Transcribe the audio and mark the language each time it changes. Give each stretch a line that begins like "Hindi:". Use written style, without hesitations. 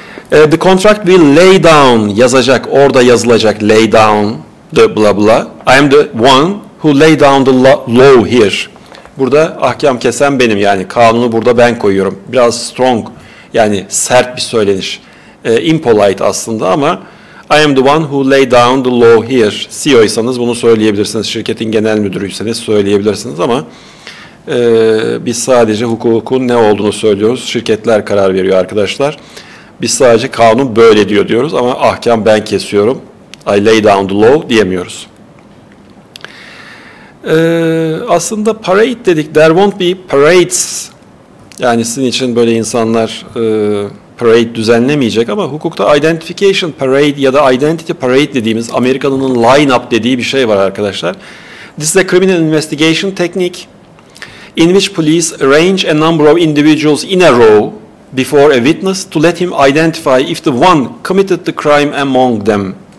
English: The contract will lay down,
Turkish: yazacak, orada yazılacak,
English: lay down the blah blah. I am the one who lay down the law here.
Turkish: Burada ahkam kesen benim, yani kanunu burada ben koyuyorum.
English: Biraz strong,
Turkish: yani sert bir söyleniş.
English: Impolite
Turkish: aslında ama
English: I am the one who lay down the law here.
Turkish: CEO'ysanız bunu söyleyebilirsiniz, şirketin genel müdürüyseniz söyleyebilirsiniz ama biz sadece hukukun ne olduğunu söylüyoruz. Şirketler karar veriyor arkadaşlar. Biz sadece kanun böyle diyor diyoruz ama ahkam ben kesiyorum.
English: I lay down the law
Turkish: diyemiyoruz. Aslında parade dedik.
English: There won't be parades.
Turkish: Yani sizin için böyle insanlar parade düzenlemeyecek ama hukukta identification parade ya da identity parade dediğimiz, Amerikalı'nın line up dediği bir şey var arkadaşlar.
English: This is a criminal investigation technique in which police arrange a number of individuals in a row before a witness to let him identify if the one committed the crime among them.